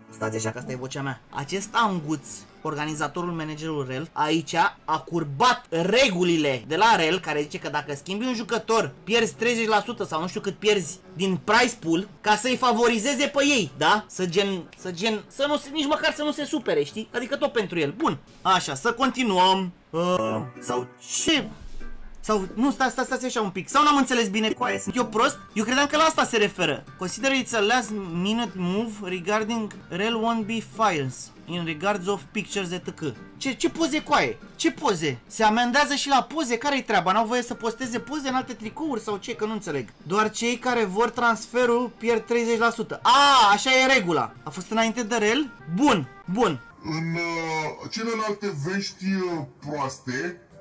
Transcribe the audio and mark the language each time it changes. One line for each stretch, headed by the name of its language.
Romanian: Stați așa că asta e vocea mea. Acest anguț, organizatorul, managerul Rel, aici a curbat regulile de la Rel, care zice că dacă schimbi un jucător, pierzi 30% sau nu știu cât pierzi din price pool, ca să-i favorizeze pe ei, da? Să gen, să nu, nici măcar să nu se supere, știi? Adică tot pentru el. Bun. Așa, să continuăm. Sau ce? Sau, nu, stați așa un pic. Sau n-am înțeles bine cu aia. Sunt eu prost? Eu credeam că la asta se referă.
English: Consider it's a last minute move regarding Rel 1B files in regards of pictures etc.
Romanian: Ce poze cu aia? Ce poze? Se amendează și la poze? Care-i treaba? N-au voie să posteze poze în alte tricouri sau ce? Că nu înțeleg. Doar cei care vor transferul pierd 30%. Așa e regula. A fost înainte de Rel? Bun. În celelalte vești proaste...